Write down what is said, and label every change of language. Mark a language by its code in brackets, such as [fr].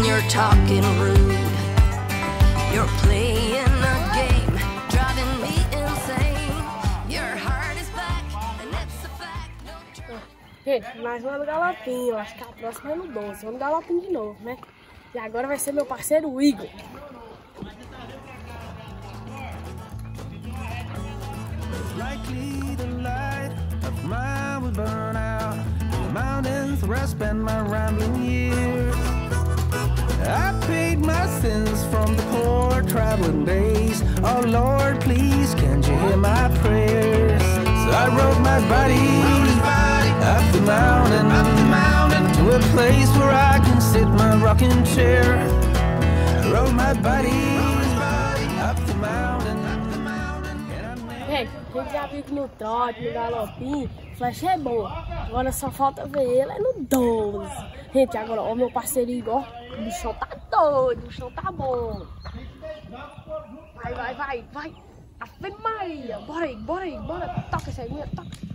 [en] Talking rude. You're playing a game, driving me insane. Your heart is back, and that's a fact. No trouble. [pt] Gente, mais uma do Galopinho. Eu acho que a próxima é no 12. Vamos dar Galopinho de novo, né? E agora vai ser meu parceiro, o Igor. [en] Likely the light of mine would burn out. Mountains where I spend my rambling years. I paid my sins from the poor traveling days. Oh Lord, please, can't you hear my prayers? So I rode my body up the mountain, up the mountain, to a place where I can sit my rocking chair. I rode my body up the mountain, up the mountain. [pt] Hey, no trote, no galopinho, Flash é bom. Agora só falta ver ele no 12. Gente, agora, ó, meu parceiro Igor. O chão tá doido, o chão tá bom. Vai, vai, vai, vai. Ave Maria, bora aí, bora aí, bora. Toca essa aguinha, toca.